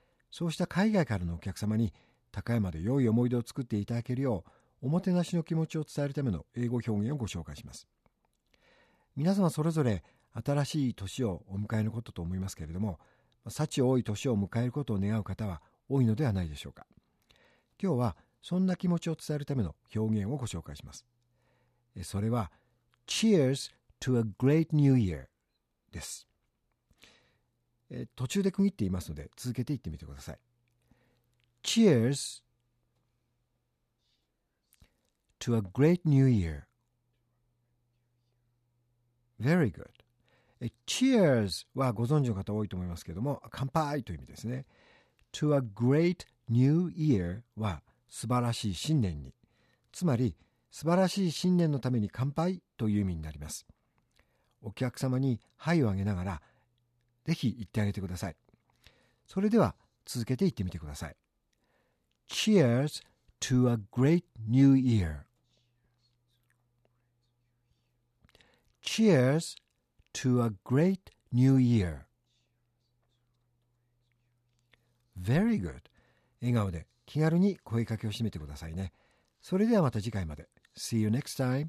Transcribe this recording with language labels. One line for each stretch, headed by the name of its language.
Japanese: そうした海外からのお客様に高山で良い思い出を作っていただけるよう、おもてなしの気持ちを伝えるための英語表現をご紹介します。皆様それぞれ新しい年をお迎えることと思いますけれども、幸多い年を迎えることを願う方は多いのではないでしょうか。今日はそんな気持ちを伝えるための表現をご紹介します。それは
English: Cheers to a great new year
Japanese: です。途中で区切っていますので続けていってみてください。
English: Cheers to a great new year. Very good.
Japanese: Cheers はご存知の方多いと思いますけれども、乾杯という意味ですね。
English: To a great new year
Japanese: は素晴らしい新年に、つまり素晴らしい新年のために乾杯という意味になります。お客様に杯をあげながらぜひ言ってあげてください。それでは続けて言ってみてください。
English: Cheers to a great new year. Cheers to a great new year. Very good.
Japanese: 笑顔で気軽に声かけを締めてくださいね。それではまた次回まで。
English: See you next time.